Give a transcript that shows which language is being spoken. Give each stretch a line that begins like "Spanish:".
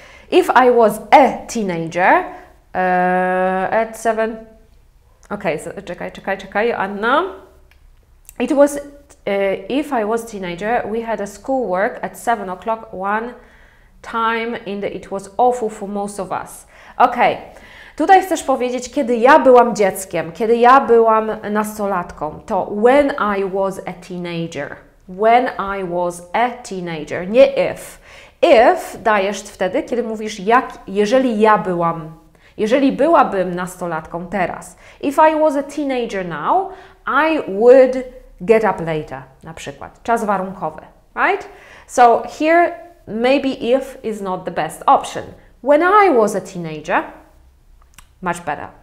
English: If I was a teenager at 7... Okay, so
Polish: czekaj,
English: Anna. It was... if I was a teenager, we had a schoolwork at 7 o'clock, one... time in the it was awful for most of us. Okay.
Polish: Tutaj chcesz powiedzieć, kiedy ja byłam dzieckiem, kiedy ja byłam nastolatką, to
English: when I was a teenager. When I was a teenager,
Polish: nie if. If dajesz wtedy, kiedy mówisz, jak, jeżeli ja byłam, Jeżeli byłabym nastolatką teraz,
English: if I was a teenager now, I would get up later,
Polish: na przykład. Czas warunkowy,
English: right? So here, maybe if is not the best option. When I was a teenager, much better.